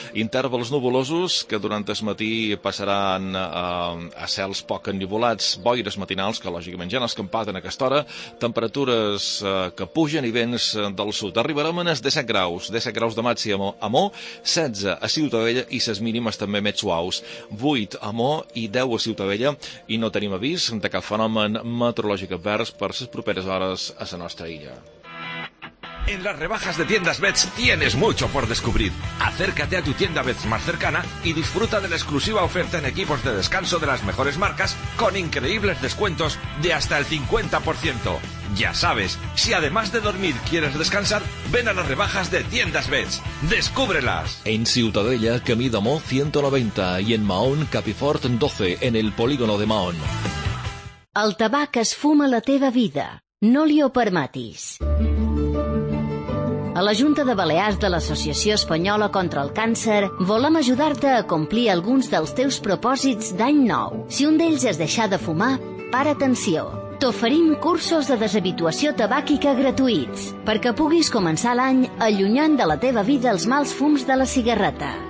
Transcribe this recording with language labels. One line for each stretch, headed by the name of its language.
Catalan: Intervals nuvolosos que durant el matí passaran a cels poc ennivolats, boires matinals que lògicament ja han escampat en aquesta hora, temperatures que pugen i vents del sud. Arribarem a les 17 graus, 17 graus de màxim a Mó, 16 a Ciutadella i les mínimes també més suaus, 8 a Mó i 10 a Ciutadella, i no tenim avís de cap fenomen meteorològic advers per les properes a
Spanish: esa nuestra isla. En las rebajas de Tiendas Bets tienes mucho por descubrir. Acércate a tu tienda Bets más cercana y disfruta de la exclusiva oferta en equipos de descanso de las mejores marcas con increíbles descuentos de hasta el 50%. Ya sabes, si además de dormir quieres descansar, ven a las rebajas de Tiendas Bets. ¡Descúbrelas! En Ciutadella, Camí de Mó 190 y en Mahón, Capifort 12, en el polígono de Mahón.
Catalan: El tabac es fuma la teva vida. No li ho permetis. A la Junta de Balears de l'Associació Espanyola contra el Càncer volem ajudar-te a complir alguns dels teus propòsits d'any nou. Si un d'ells és deixar de fumar, para atenció. T'oferim cursos de deshabituació tabàquica gratuïts perquè puguis començar l'any allunyant de la teva vida els mals fums de la cigarreta.